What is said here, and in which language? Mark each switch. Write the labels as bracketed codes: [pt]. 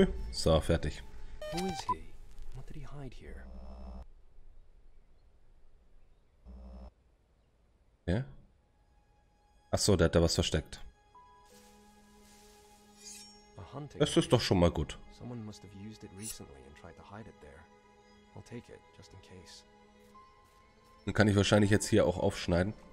[de] So, fertig. [en] Who is he? What did he hide here? [de] Ja? Achso, der hat da was versteckt. Das ist doch schon mal gut. [en] Someone must have used it recently and tried to hide it there. I'll take it, just in case. [de] Dann kann ich wahrscheinlich jetzt hier auch aufschneiden.